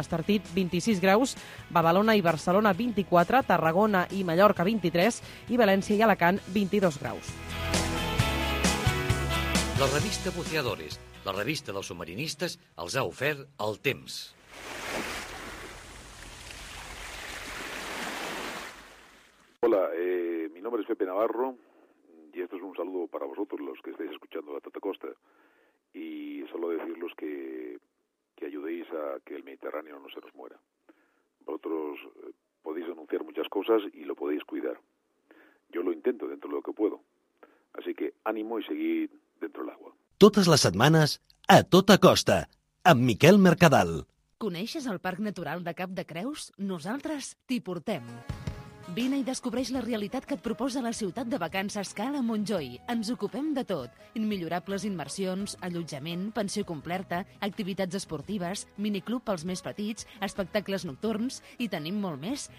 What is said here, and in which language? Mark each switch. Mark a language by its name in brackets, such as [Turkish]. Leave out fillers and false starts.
[Catalan] Estartit, 26 graus, Badalona i Barcelona, 24, Tarragona i Mallorca, 23, i València i Alacant, 22 graus. La revista Buceadores, la revista dels submarinistes, els ha ofert el temps. [Spanish] Hola, mi nombre es Pepe Navarro y esto es un saludo para vosotros, los que estáis escuchando la Tata Costa. Y solo decirles que ayudéis a que el Mediterráneo no se nos muera. Vosotros podéis anunciar muchas cosas y lo podéis cuidar. Yo lo intento dentro de lo que puedo. Así que ánimo y seguid dentro del agua. [Catalan] Totes les setmanes, a tota costa, amb Miquel Mercadal. Coneixes el Parc Natural de Cap de Creus? Nosaltres t'hi portem. Vine i descobreix la realitat que et proposa la ciutat de vacances Cala Montjoi. Ens ocupem de tot. Immillorables immersions, allotjament, pensió completa, activitats esportives, miniclub pels més petits, espectacles nocturns i tenim molt més.